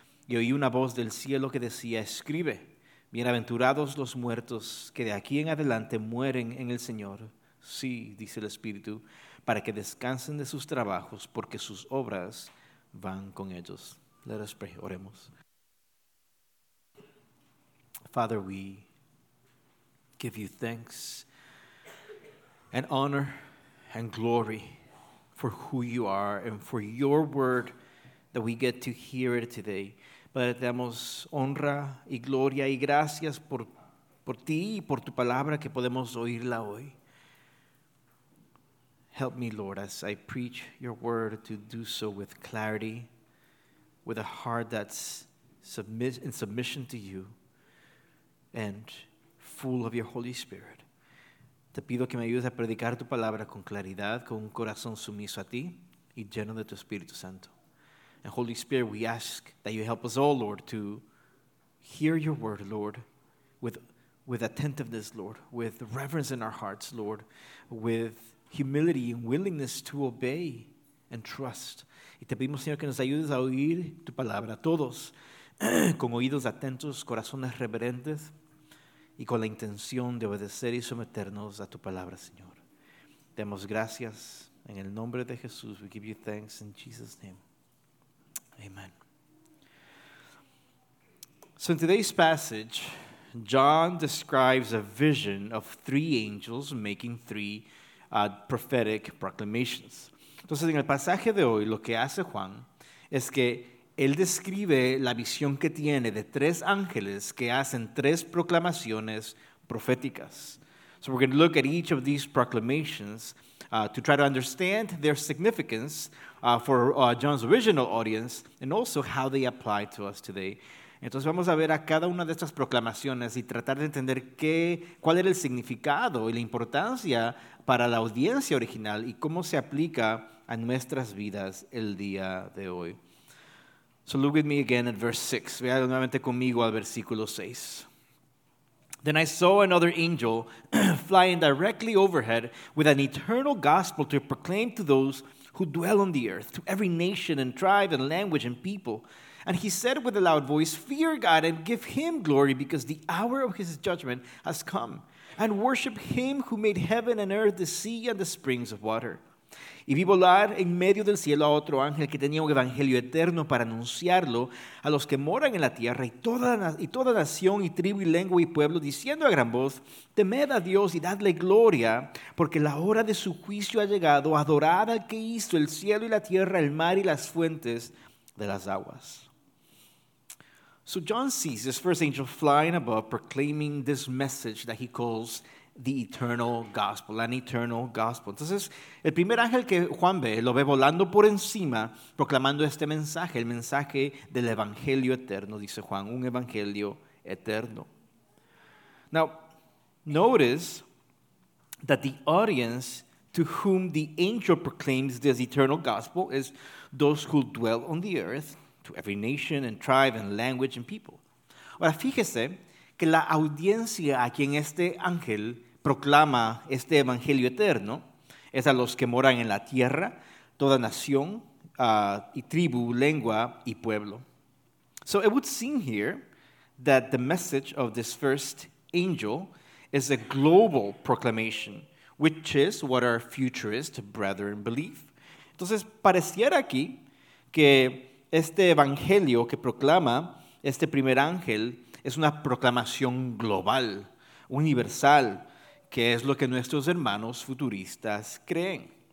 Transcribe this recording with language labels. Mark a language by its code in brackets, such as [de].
[es] Y oí una voz del cielo que decía, escribe, bienaventurados los muertos que de aquí en adelante mueren en el Señor. Sí, dice el Espíritu, para que descansen de sus trabajos, porque sus obras van con ellos. [en] Let us pray. [es] Oremos. [en] Father, we give you thanks and honor and glory for who you are and for your word that we get to hear it today. [es] Padre, te damos honra y gloria y gracias por ti y por tu palabra que podemos oírla hoy. [en] Help me, Lord, as I preach your word to do so with clarity, with a heart that's in submission to you and full of your Holy Spirit. [es] Te pido que me ayudes a predicar tu palabra con claridad, con un corazón sumiso a ti y lleno de tu Espíritu Santo. [en] And Holy Spirit, we ask that you help us all, Lord, to hear your word, Lord, with attentiveness, Lord, with reverence in our hearts, Lord, with humility and willingness to obey and trust. [es] Y te pedimos, Señor, que nos ayudes a oír tu palabra, todos, con oídos atentos, corazones reverentes, y con la intención de obedecer y someternos a tu palabra, Señor. Demos gracias en el nombre de Jesús. [en] We give you thanks in Jesus' name. Amen. So in today's passage, John describes a vision of three angels making three prophetic proclamations. [es] Entonces, en el pasaje de hoy, lo que hace Juan es que él describe la visión que tiene de tres ángeles que hacen tres proclamaciones proféticas. [en] So we're going to look at each of these proclamations to try to understand their significance for John's original audience and also how they apply to us today. [es] Entonces vamos a ver a cada una de estas proclamaciones y tratar de entender qué, cuál era el significado y la importancia para la audiencia original y cómo se aplica a nuestras vidas el día de hoy. [en] So look with me again at verse 6. [es] Vea nuevamente conmigo al versículo 6. [en] Then I saw another angel flying directly overhead with an eternal gospel to proclaim to those who dwell on the earth, to every nation and tribe and language and people. And he said with a loud voice, "Fear God and give him glory, because the hour of his judgment has come. And worship him who made heaven and earth, the sea and the springs of water." [es] Y vi volar en medio del cielo a otro ángel que tenía un evangelio eterno para anunciarlo a los que moran en la tierra y toda nación y tribu y lengua y pueblo, diciendo a gran voz, "Temed a Dios y dadle gloria, porque la hora de su juicio ha llegado. Adorad al que hizo el cielo y la tierra, el mar y las fuentes de las aguas." [en] So John sees this first angel flying above, proclaiming this message that he calls the eternal gospel, an eternal gospel. [es] Entonces, el primer ángel que Juan ve, lo ve volando por encima, proclamando este mensaje, el mensaje del evangelio eterno, dice Juan, un evangelio eterno. [en] Now, notice that the audience to whom the angel proclaims this eternal gospel is those who dwell on the earth, to every nation and tribe and language and people. [es] Ahora, fíjese que la audiencia a quien este ángel proclama este evangelio eterno es a los que moran en la tierra, toda nación, y tribu, lengua y pueblo. [en] So it would seem here that the message of this first angel is a global proclamation, which is what our futurist brethren believe. [es] Entonces, pareciera aquí que este evangelio que proclama este primer ángel es una proclamación global, universal, que es lo que nuestros hermanos futuristas creen.